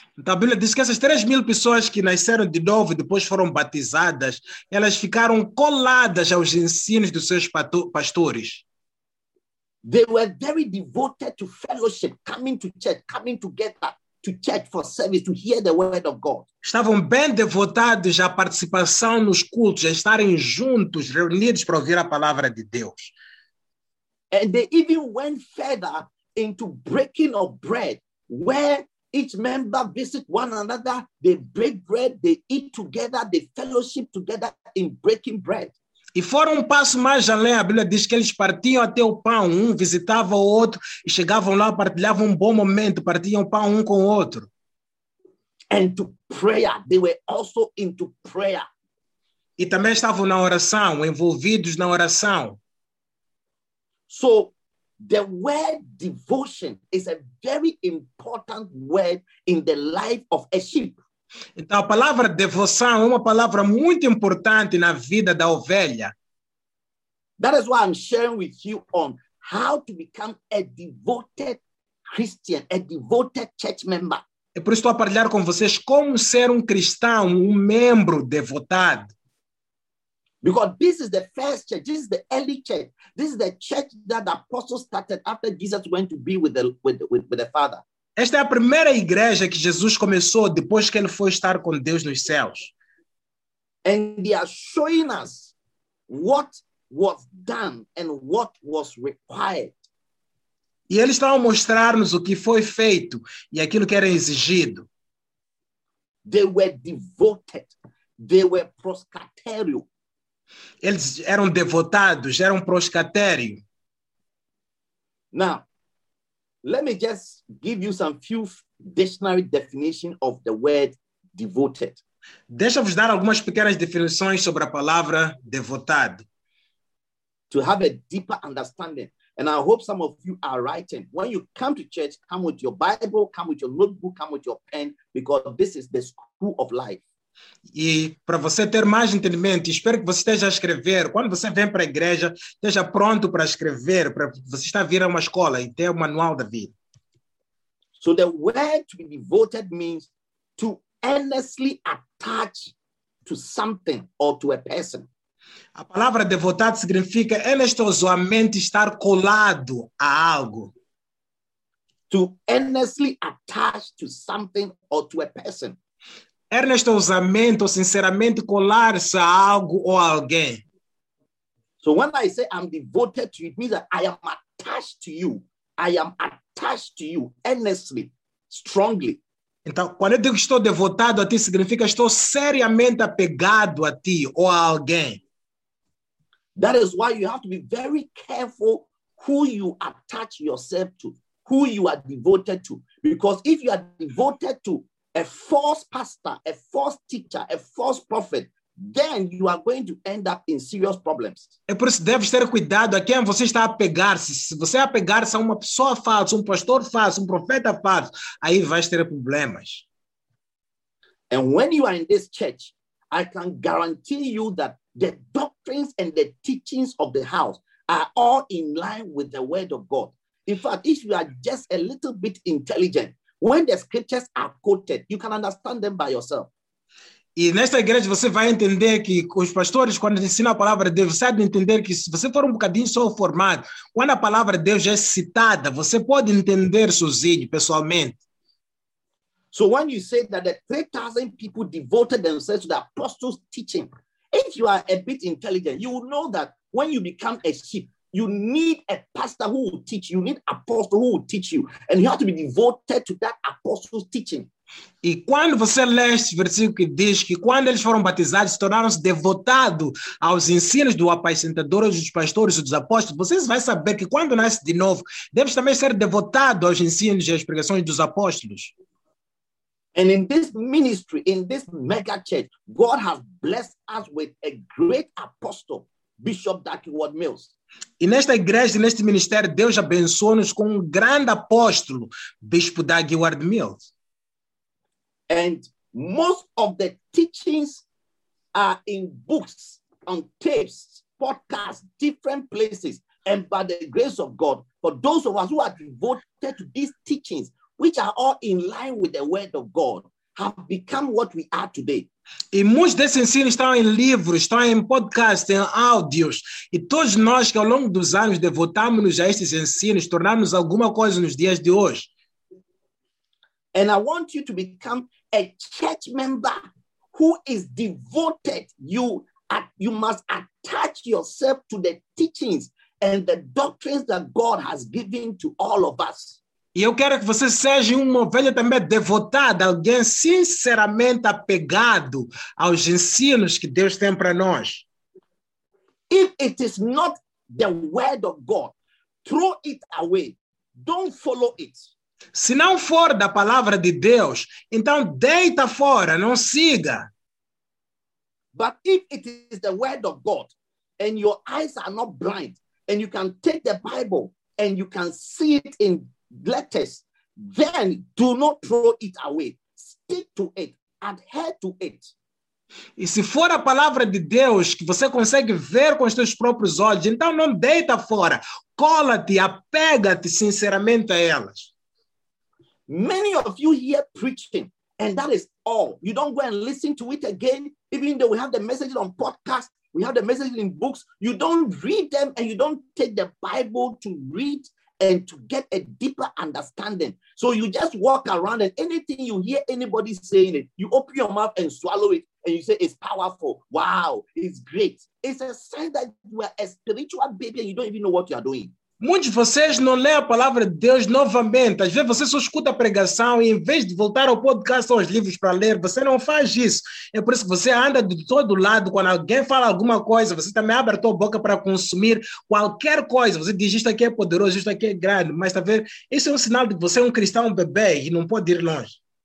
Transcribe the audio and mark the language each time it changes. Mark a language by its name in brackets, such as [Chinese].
[Portuguese] Então, a Bíblia diz que essas 3 mil pessoas que nasceram de novo e depois foram batizadas, elas ficaram coladas aos ensinos dos seus pastores. [English] They were very devoted to fellowship, coming to church, coming together to church for service, to hear the word of God. [Portuguese] Estavam bem devotados à participação nos cultos, a estarem juntos, reunidos para ouvir a palavra de Deus. [English] And they even went further into breaking of bread, where each member visit one another, they break bread, they eat together, they fellowship together in breaking bread. [Portuguese] E foram um passo mais além, a Bíblia diz que eles partiam até o pão, um visitava o outro, e chegavam lá, partilhavam um bom momento, partiam pão um com o outro. [English] And to prayer, they were also into prayer. [Portuguese] E também estavam na oração, envolvidos na oração. [English] So, the word devotion is a very important word in the life of a sheep. [Portuguese] Então, a palavra devoção é uma palavra muito importante na vida da ovelha. [English] That is why I'm sharing with you on how to become a devoted Christian, a devoted church member. [Portuguese] É por isso que estou a partilhar com vocês como ser um cristão, um membro devotado. [English] Because this is the first church. This is the early church. This is the church that the apostles started after Jesus went to be with the Father. [Portuguese] Esta é a primeira igreja que Jesus começou depois que ele foi estar com Deus nos céus. [English] And they are showing us what was done and what was required. [Portuguese] E eles estão a mostrar-nos o que foi feito e aquilo que era exigido. [English] They were devoted. They were proscatério. [Portuguese] Eles eram devotados, eram proscatério. [English] Now, let me just give you some few dictionary definitions of the word devoted. [Portuguese] Deixa-vos dar algumas pequenas definições sobre a palavra devotado. [English] To have a deeper understanding. And I hope some of you are writing. When you come to church, come with your Bible, come with your notebook, come with your pen, because this is the school of life. [Portuguese] E para você ter mais entendimento, espero que você esteja a escrever. Quando você vem para a igreja, esteja pronto para escrever, para você estar a vir a uma escola e ter o manual da vida. [English] So the word to be devoted means to earnestly attach to something or to a person. [Portuguese] A palavra devotado significa earnestosamente estar colado a algo. [English] To earnestly attach to something or to a person. [Portuguese] Ernestosamente ou sinceramente colar-se a algo ou a alguém. [English] So when I say I'm devoted to you, it means that I am attached to you. I am attached to you earnestly, strongly. [Portuguese] Então, quando eu digo estou devotado a ti, significa estou seriamente apegado a ti ou a alguém. [English] That is why you have to be very careful who you attach yourself to, who you are devoted to. Because if you are devoted to a false pastor, a false teacher, a false prophet, then you are going to end up in serious problems. [Portuguese] É por isso que deve ter cuidado a quem você está a apegar-se. Se você é apegar-se a uma pessoa falsa, um pastor falso, um profeta falso, aí vai ter problemas. [English] And when you are in this church, I can guarantee you that the doctrines and the teachings of the house are all in line with the word of God. In fact, if you are just a little bit intelligent, when the scriptures are quoted, you can understand them by yourself. [Portuguese] E nesta igreja você vai entender que os pastores, quando ensinam a palavra de Deus, você deve entender que se você for um bocadinho só formado, quando a palavra de Deus é citada, você pode entender sozinho, pessoalmente. [English] So when you say that the 3,000 people devoted themselves to the apostles' teaching, if you are a bit intelligent, you will know that when you become a sheep, you need a pastor who will teach you. You need an apostle who will teach you. And you have to be devoted to that apostle's teaching. [Portuguese] E quando você lê este versículo que diz que quando eles foram batizados, tornaram-se devotados aos ensinos do apacentador, dos pastores e dos apóstolos, você vai saber que quando nasce de novo, deves também ser devotado aos ensinos e às pregações dos apóstolos. [English] And in this ministry, in this mega church, God has blessed us with a great apostle, Bishop Dr. Ward Mills. [Portuguese] E nesta igreja, neste ministério, Deus abençoou-nos com um grande apóstolo, Bispo Dr. Ward Mills. [English] And most of the teachings are in books, on tapes, podcasts, different places. And by the grace of God, for those of us who are devoted to these teachings, which are all in line with the word of God, have become what we are today. [Portuguese] E muitos desses ensinos estão em livros, estão em podcasts, em áudios. E todos nós que ao longo dos anos devotamos-nos a estes ensinos, tornamos alguma coisa nos dias de hoje. [English] And I want you to become a church member who is devoted. You must attach yourself to the teachings and the doctrines that God has given to all of us. [Portuguese] E eu quero que você seja uma ovelha também devotada, alguém sinceramente apegado aos ensinos que Deus tem para nós. [English] If it is not the word of God, throw it away. Don't follow it. [Portuguese] Se não for da palavra de Deus, então deita fora, não siga. [English] But if it is the word of God, and your eyes are not blind, and you can take the Bible, and you can see it in letters, then do not throw it away. Stick to it. Adhere to it. [Portuguese] E se for a palavra de Deus que você consegue ver com os seus próprios olhos, então não deita fora. Cola-te, apega-te sinceramente a elas. [English] Many of you hear preaching and that is all. You don't go and listen to it again, even though we have the message on podcast. We have the message in books. You don't read them and you don't take the Bible to read and to get a deeper understanding. So you just walk around and anything you hear anybody saying it, you open your mouth and swallow it and you say it's powerful. Wow, it's great. It's a sign that you are a spiritual baby and you don't even know what you are doing. [Portuguese] Muitos de vocês não lêem a palavra de Deus novamente. Às vezes você só escuta a pregação e em vez de voltar ao podcast ou aos livros para ler, você não faz isso. É por isso que você anda de todo lado. Quando alguém fala alguma coisa, você também abre a tua boca para consumir qualquer coisa. Você diz, isto aqui é poderoso, isto aqui é grande. Mas está vendo? Isso é um sinal de que você é um cristão bebê e não pode ir longe.